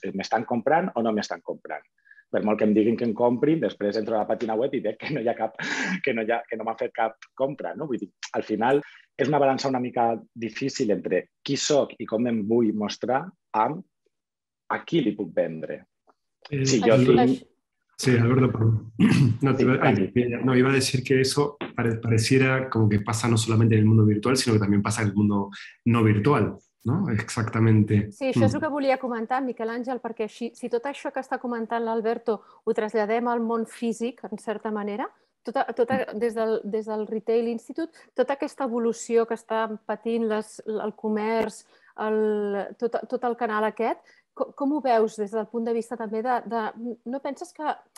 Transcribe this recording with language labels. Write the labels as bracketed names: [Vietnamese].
[Catalan] M'estan comprant o no m'estan comprant? Per molt que em diguin que em comprin, després entro a la pàgina web i veig que no hi ha cap, que no m'ha fet cap compra, no? Vull dir, al final... És una balança una mica difícil entre qui sóc i com em vull mostrar amb a qui li puc vendre. Si jo sí, Alberto, perdó. [Spanish] No, iba a decir que eso pareciera como que pasa no solamente en el mundo virtual, sino que también pasa en el mundo no virtual, ¿no? Exactamente. [Catalan] Sí, això és el que volia comentar, Miquel Àngel, perquè si tot això que està comentant l'Alberto ho traslladem al món físic, en certa manera... Des del Retail Institute, tota aquesta evolució que està patint el comerç, tot el canal aquest, com ho veus des del punt de vista també de no penses que...